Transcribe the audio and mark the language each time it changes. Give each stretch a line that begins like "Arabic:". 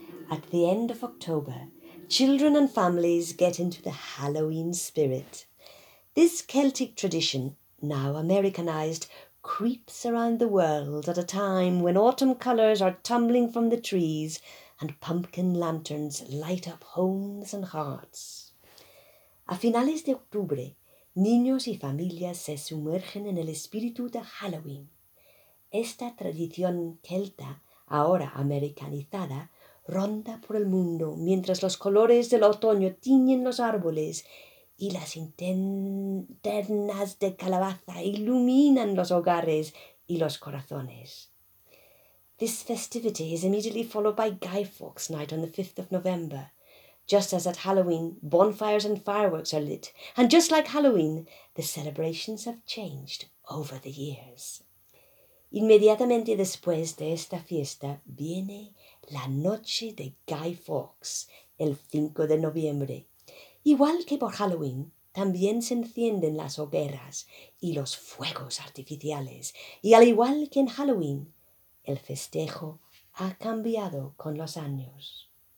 English: At the end of October, children and families get into the Halloween spirit. This Celtic tradition, now Americanized, creeps around the world at a time when autumn colours are tumbling from the trees and pumpkin lanterns light up homes and hearts.
Spanish: A finales de octubre, niños y familias se sumergen en el espíritu de Halloween. Esta tradición celta, ahora americanizada, ronda por el mundo mientras los colores del otoño tiñen los árboles y las linternas de calabaza iluminan los hogares y los corazones.
English: This festivity is immediately followed by Guy Fawkes Night on the 5th of November. Just as at Halloween, bonfires and fireworks are lit, and just like Halloween, the celebrations have changed over the years.
Spanish: Inmediatamente después de esta fiesta viene La Noche de Guy Fawkes, el 5 de noviembre. Igual que por Halloween, también se encienden las hogueras y los fuegos artificiales. Y al igual que en Halloween, el festejo ha cambiado con los años.